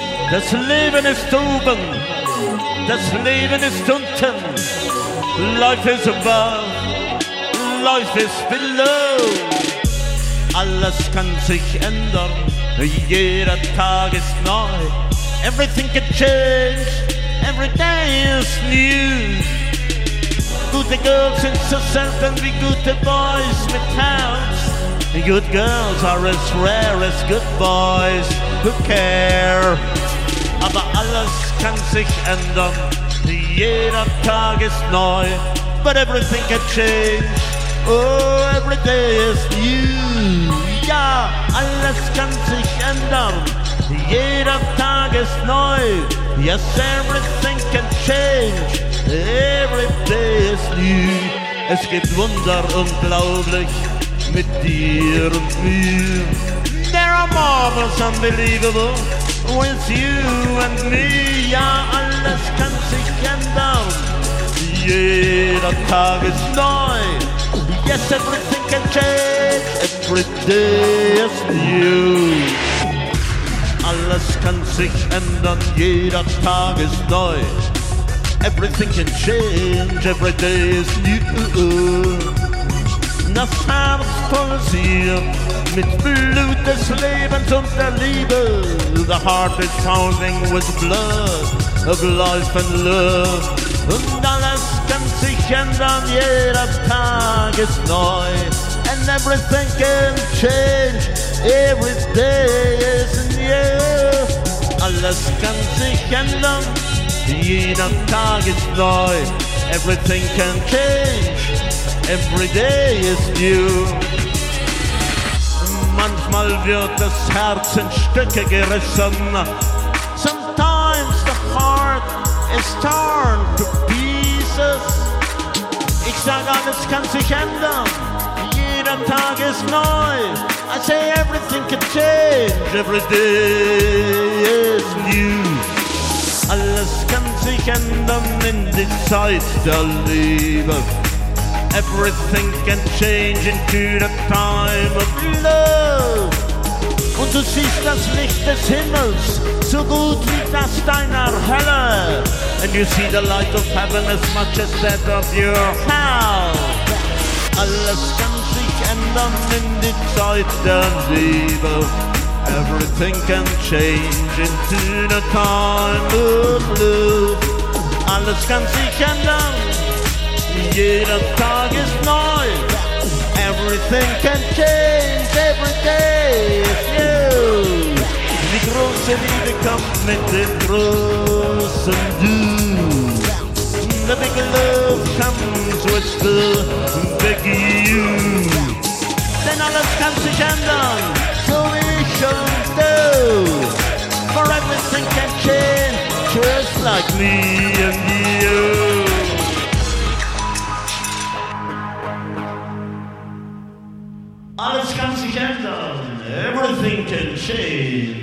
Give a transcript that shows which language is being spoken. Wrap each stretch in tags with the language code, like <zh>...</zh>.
<de>Das Leben ist oben, das Leben ist unten.</de> <en>Life is above, life is below.</en> <de>Alles kann sich ändern, jeder Tag ist neu.</de> <en>Everything can change, every day is new. Good girls in society and we good boys with towns. Good girls are as rare as good boys, who care?</en> <de>Aber alles kann sich ändern, jeder Tag ist neu.</de> <en>But everything can change, oh, every day is new.</en> <de>Ja, alles kann sich ändern, jeder Tag ist neu.</de> <en>Yes, everything can change, every day is new.</en> <de>Es gibt Wunder unglaublich mit dir und mir.</de> <en>There are marvels unbelievable with you and me.</en> <de>Ja, alles kann sich ändern, jeder Tag ist neu.</de> <en>Yes, everything can change, every day is new.</en> <de>Alles kann sich ändern, jeder Tag ist neu.</de> <en>Everything can change, every day is new.</en> <de>Das Herz voll Sehnsucht mit Blut des Lebens und der Liebe.</de> <en>The heart is pounding with blood of life and love.</en> <de>Und alles kann sich ändern, jeder Tag ist neu.</de> <en>And everything can change, every day is new.</en> <de>Alles kann sich ändern, jeder Tag ist neu.</de> <en>Everything can change, every day is new.</en> <de>Manchmal wird das Herz in Stücke gerissen.</de> <en>Sometimes the heart is torn to pieces.</en> <de>Ich sag, alles kann sich ändern, jeder Tag ist neu.</de> <en>I say everything can change, every day is new.</en> <de>Alles kann sich ändern in die Zeit der Liebe.</de> <en>Everything can change into the time of love.</en> <de>Und du siehst das Licht des Himmels so gut wie das deiner Hölle.</de> <en>And you see the light of heaven as much as that of your hell.</en> <de>Alles kann sich ändern in die Zeit der Liebe.</de> <en>Everything can change into the time of love.</en> <de>Alles kann sich ändern, jeder Tag ist neu.</de> <en>Everything can change, every day is new.</en> <de>Die große Liebe kommt mit dem großen Du.</de> <en>The big love comes with the big you.</en> <de>Denn alles kann sich ändern,</de> <en>so we shall do. For everything can change, just like me and you.</en> <de>Alles kann sich ändern,</de> <en>everything can change.</en>